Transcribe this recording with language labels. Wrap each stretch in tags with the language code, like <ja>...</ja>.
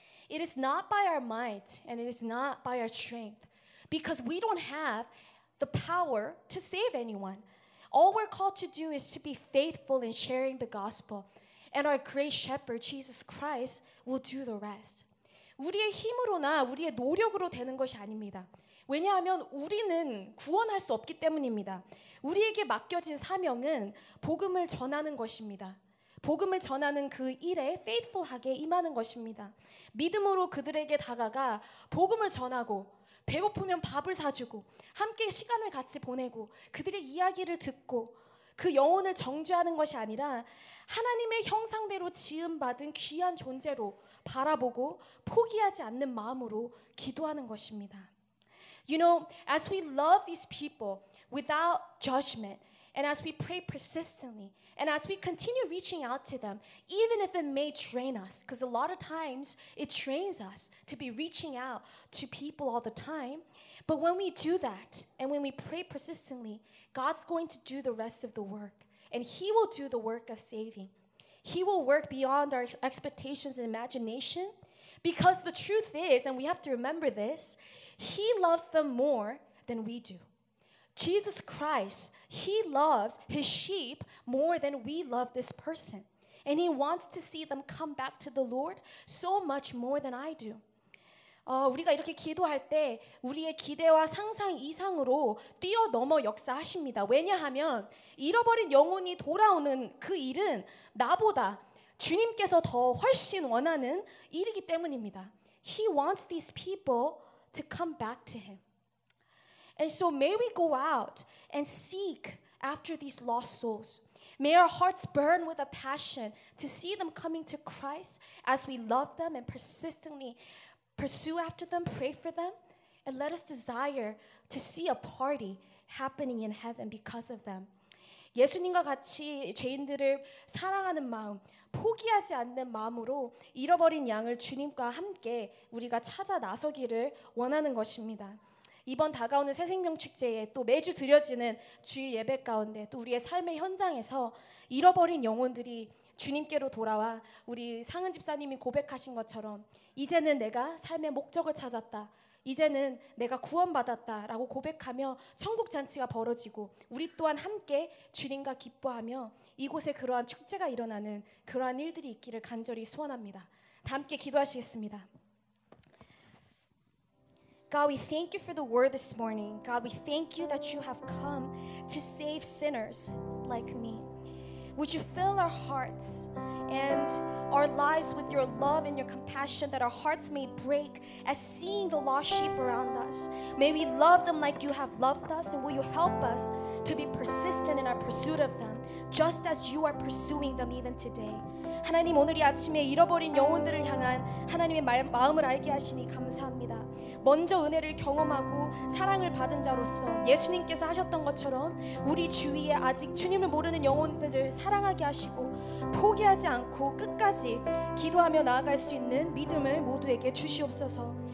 <en>It is not by our might and it is not by our strength because we don't have the power to save anyone. All we're called to do is to be faithful in sharing the gospel. And our great shepherd, Jesus Christ, will do the rest.</en> <ko>우리의 힘으로나 우리의 노력으로 되는 것이 아닙니다. 왜냐하면 우리는 구원할 수 없기 때문입니다. 우리에게 맡겨진 사명은 복음을 전하는 것입니다. 복음을 전하는 그 일에 faithful하게 임하는 것입니다. 믿음으로 그들에게 다가가 복음을 전하고 배고프면 밥을 사주고 함께 시간을 같이 보내고 그들의 이야기를 듣고 그 영혼을 정죄하는 것이 아니라 하나님의 형상대로 지음받은 귀한 존재로 바라보고 포기하지 않는 마음으로 기도하는 것입니다.</ko> <en>You know, as we love these people without judgment, and as we pray persistently, and as we continue reaching out to them, even if it may drain us, because a lot of times it drains us to be reaching out to people all the time, but when we do that, and when we pray persistently, God's going to do the rest of the work, and He will do the work of saving. He will work beyond our expectations and imagination, because the truth is, and we have to remember this, He loves them more than we do. Jesus Christ, He loves His sheep more than we love this person. And He wants to see them come back to the Lord so much more than I do.</en> <ko>우리가 이렇게 기도할 때 우리의 기대와 상상 이상으로 뛰어넘어 역사하십니다. 왜냐하면 잃어버린 영혼이 돌아오는 그 일은 나보다 주님께서 더 훨씬 원하는 일이기 때문입니다.</ko> <en>He wants these people to come back to Him. And so may we go out and seek after these lost souls. May our hearts burn with a passion to see them coming to Christ as we love them and persistently pursue after them, pray for them, and let us desire to see a party happening in heaven because of them.</en> <ko>예수님과 같이 죄인들을 사랑하는 마음, 포기하지 않는 마음으로 잃어버린 양을 주님과 함께 우리가 찾아 나서기를 원하는 것입니다. 이번 다가오는 새생명축제에 또 매주 드려지는 주일 예배 가운데 또 우리의 삶의 현장에서 잃어버린 영혼들이 주님께로 돌아와 우리 상은 집사님이 고백하신 것처럼 이제는 내가 삶의 목적을 찾았다, 이제는 내가 구원받았다 라고 고백하며 천국 잔치가 벌어지고 우리 또한 함께 주님과 기뻐하며 이곳에 그러한 축제가 일어나는 그러한 일들이 있기를 간절히 소원합니다. 다 함께 기도하시겠습니다.</ko> <en>God, we thank You for the word this morning. God, we thank You that You have come to save sinners like me. Would You fill our hearts and our lives with Your love and Your compassion that our hearts may break as seeing the lost sheep around us. May we love them like You have loved us, and will You help us to be persistent in our pursuit of them, just as You are pursuing them even today.</en> <ko>하나님, 오늘 이 아침에 잃어버린 영혼들을 향한 하나님의 마음을 알게 하시니 감사합니다. 먼저 은혜를 경험하고 사랑을 받은 자로서 예수님께서 하셨던 것처럼 우리 주위에 아직 주님을 모르는 영혼들을 사랑하게 하시고 포기하지 않고 끝까지 기도하며 나아갈 수 있는 믿음을 모두에게 주시옵소서.</ko>